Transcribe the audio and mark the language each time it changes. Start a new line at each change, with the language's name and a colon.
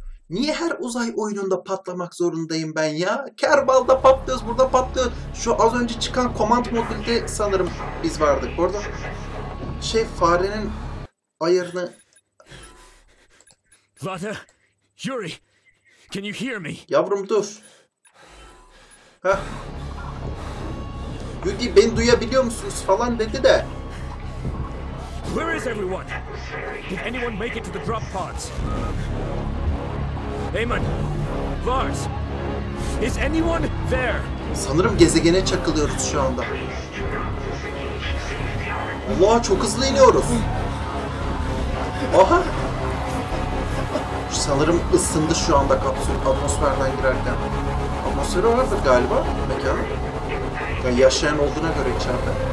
Turkish: Niye her uzay oyununda patlamak zorundayım ben ya? Kerbal'da patlıyoruz, burada patlıyoruz. Şu az önce çıkan command modülde sanırım biz vardık orada. Şey, farenin ayarını...
English: Lata, Yuri, can you hear me?
Turkish: Yavrum dur. Yuri, beni duyabiliyor musunuz falan dedi de.
English: Where is everyone? Did anyone make it to the drop pods? Eamon, Lars, is anyone there?
Turkish: Sanırım gezegene çakılıyoruz şu anda. Allah, çok hızlı iniyoruz. Aha! Sanırım ısındı şu anda kapsül, atmosferden girerken. Atmosferi vardır galiba mekanın. Yani yaşayan olduğuna göre içeride.